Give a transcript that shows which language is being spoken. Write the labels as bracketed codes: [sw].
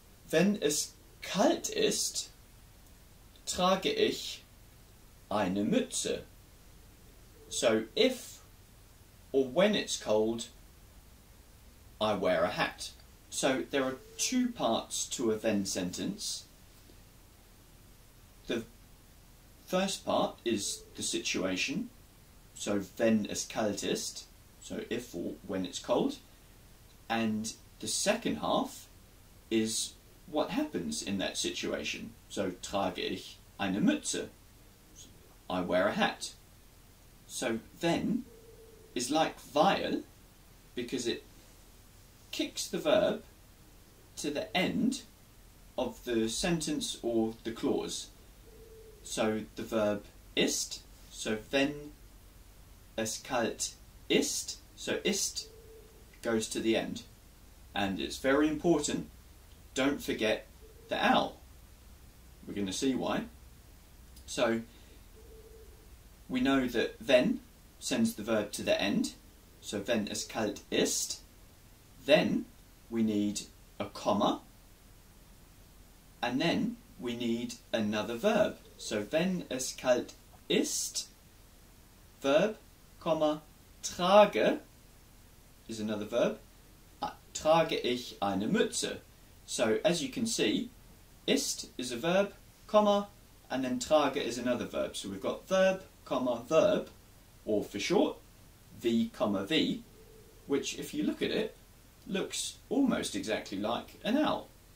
[de] Wenn es kalt ist, trage ich eine Mütze. [en] So, if or when it's cold, I wear a hat. So there are two parts to a wenn sentence. The first part is the situation, so [de] wenn es kalt ist, [en] so if or when it's cold. And the second half is what happens in that situation. So [de] trage ich eine Mütze, [en] I wear a hat. So wenn is like weil, because it kicks the verb to the end of the sentence or the clause. So the verb ist, [de] so wenn es kalt ist, [en] so ist goes to the end. And it's very important, don't forget the al. We're going to see why. So we know that wenn sends the verb to the end, so [de] wenn es kalt ist, [en] then we need a comma, and then we need another verb. [de] So wenn es kalt ist, [en] verb, comma, trage is another verb, [de] trage ich eine Mütze. [en] So as you can see, ist is a verb, comma, and then trage is another verb. So we've got verb, comma, verb, or for short, V, comma, V, which if you look at it, looks almost exactly like an L.